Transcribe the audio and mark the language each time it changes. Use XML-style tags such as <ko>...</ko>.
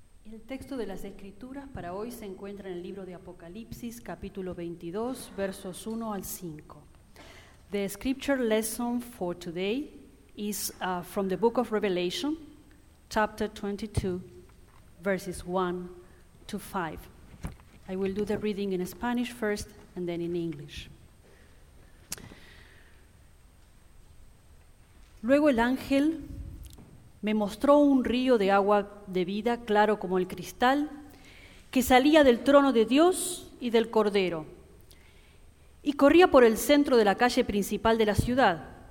<es>El texto de las Escrituras para hoy se encuentra en el libro de Apocalipsis, capítulo 22, versos 1 al 5.</es> <en>The scripture lesson for today is from the book of Revelation, chapter 22, verses 1 to 5. I will do the reading in Spanish first and then in English.</en> <es>Luego el ángel me mostró un río de agua de vida, claro como el cristal, que salía del trono de Dios y del Cordero, y corría por el centro de la calle principal de la ciudad.</es>